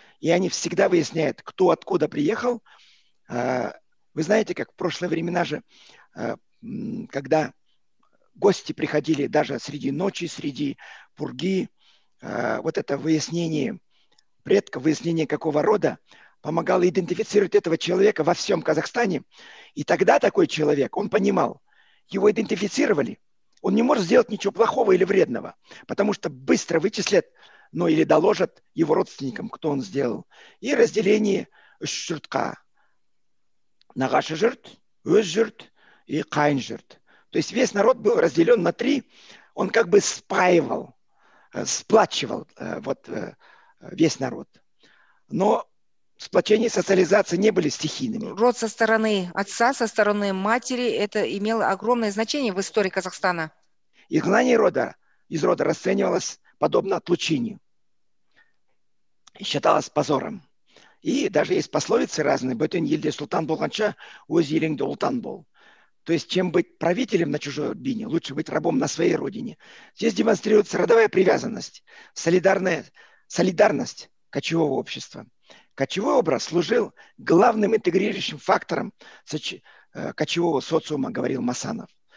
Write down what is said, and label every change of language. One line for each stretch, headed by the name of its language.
Russian: И они всегда выясняют, кто откуда приехал. Вы знаете, как в прошлые времена же, когда гости приходили даже среди ночи, среди пурги, вот это выяснение предков, выяснение какого рода, помогало идентифицировать этого человека во всем Казахстане. И тогда такой человек, он понимал, его идентифицировали. Он не может сделать ничего плохого или вредного, потому что быстро вычислят, ну или доложат его родственникам, кто он сделал. И разделение жұртқа.
Kazakh: Нағашы жұрт, өз жұрт и қайын жұрт.
Russian: То есть весь народ был разделен на три. Он как бы спаивал, сплачивал вот, весь народ. Но сплочение и социализация не были стихийными. Род со стороны отца, со стороны матери, это имело огромное значение в истории Казахстана. Изгнание рода из рода расценивалось подобно отлучению. Считалось позором. И даже есть пословицы разные.
Kazakh: «Бөтен елде султан болғанша, өз еліңде ұлтан бол».
Russian: То есть, чем быть правителем на чужой родине, лучше быть рабом на своей родине. Здесь демонстрируется родовая привязанность, солидарность кочевого общества. Кочевой образ служил главным интегрирующим фактором кочевого социума, говорил Масанов.